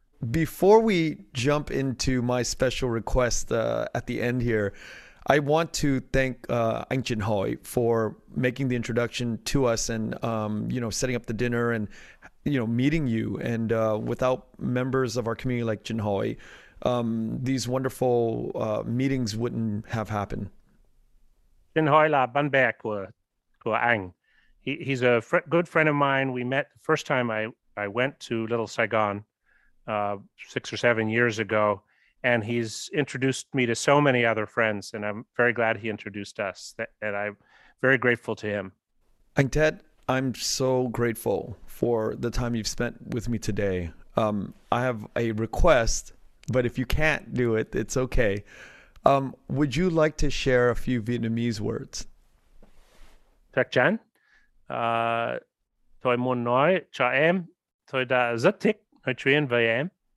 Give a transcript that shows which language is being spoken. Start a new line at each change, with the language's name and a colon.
English: Before we jump into my special request at the end here, I want to thank Anh Chinh Hoi for making the introduction to us and, you know, setting up the dinner and, you know, meeting you. And without members of our community like Chinh Hoi, these wonderful meetings wouldn't have happened.
Vietnamese: Chinh Hoi là bạn bè của anh.
English: He's a good friend of mine. We met the first time I went to Little Saigon 6 or 7 years ago. And he's introduced me to so many other friends, and I'm very glad he introduced us, and I'm very grateful to him. And Ted, I'm so grateful for the time you've spent with me today. I have a request, but if you can't do it, it's okay. Would you like to share a few Vietnamese words? Thạc chán.
Vietnamese: Tôi muốn nói cho em, tôi đã rất thích nói chuyện với em.